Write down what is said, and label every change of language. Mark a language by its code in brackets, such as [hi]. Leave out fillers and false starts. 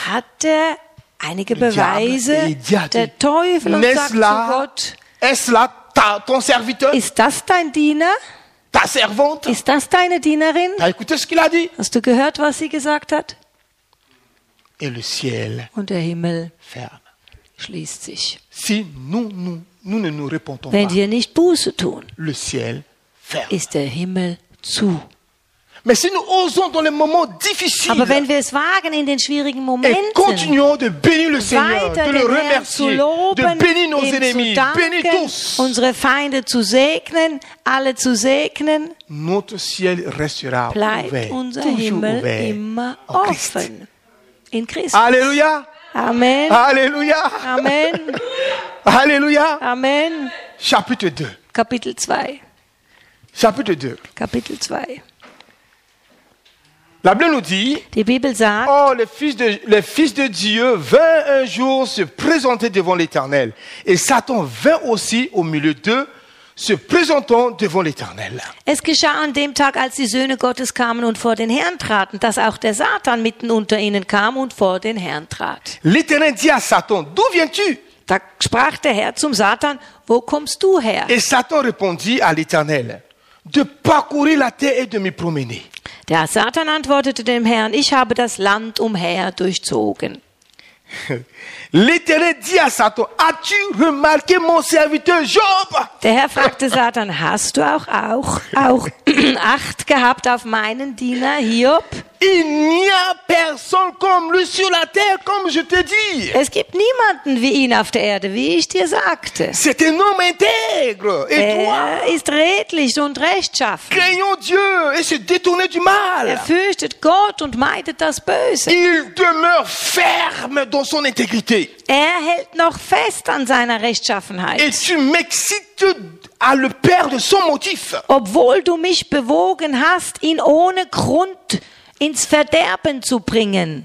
[de] Hat er einige Beweise. [fr] Diable, [de] der Teufel und sagt [fr] là, [de] zu Gott. [fr] Est-ce là ton serviteur? [de] Ist das dein Diener? [fr] Ta servante? [de] Ist das deine Dienerin? [fr] T'as écouté ce qu'il a dit? [de] Hast du gehört, was sie gesagt hat? [fr] Et le ciel [de] und der Himmel [fr] ferme. [de] Schließt sich. [fr] Si nous ne nous répondons [de] Wenn [fr] pas, [de] wir nicht Buße tun, [fr] le ciel ferme. [de] Ist der Himmel zu. [fr] Mais si nous osons dans les moments difficiles, [de] Aber wenn wir es wagen in den schwierigen Momenten, [fr] et continuons de bénir le Seigneur, [de] weiter [fr] de le remercier, [de] zu loben, [fr] de bénir nos ennemis, [de] zu danken, [fr] bénir tous, [de] unsere Feinde zu segnen, alle zu segnen, [fr] notre ciel restera [de] bleibt [fr] ouvert, [de] unser Himmel [fr] ouvert, [de] immer offen. [fr] Christ. [de] In Christus. Alléluia. Amen. Alléluia. Amen. Alléluia. Amen. [fr] Chapitre 2. [de] Kapitel 2. [fr] Chapitre 2. [de] Kapitel 2. [fr] La Bible nous dit. [de] Die Bibel sagt. [fr] Oh, les fils de Dieu vinrent un jour se présenter devant l'Éternel, et Satan vint aussi au milieu d'eux. Se présentant devant l'Éternel. [de] Es geschah an dem Tag, als die Söhne Gottes kamen und vor den Herrn traten, dass auch der Satan mitten unter ihnen kam und vor den Herrn trat. [fr] L'Éternel dit à Satan, d'où viens-tu? [de] Da sprach der Herr zum Satan, wo kommst du her? [fr] Et Satan répondit à l'Éternel, de parcourir la terre et de m'y promener. [de] Der Satan antwortete dem Herrn, ich habe das Land umher durchzogen. [fr] L'Éternel dit à Satan, as-tu remarqué mon serviteur Job? [de] Der Herr fragte Satan, hast du auch Acht gehabt auf meinen Diener Hiob? [fr] Il n'y a personne comme lui sur la terre, comme je te dis. [de] Es gibt niemanden wie ihn auf der Erde, wie ich dir sagte. [fr] C'est un homme intègre et droit. [de] Er ist redlich und rechtschaffen. [fr] Craignant Dieu et se détourner du mal. [de] Er fürchtet Gott und meidet das Böse. [fr] Il demeure ferme dans son intégrité. [de] Er hält noch fest an seiner Rechtschaffenheit. [fr] Et tu m'excites à le perdre sans motif. [de] Obwohl du mich bewogen hast, ihn ohne Grund ins Verderben zu bringen.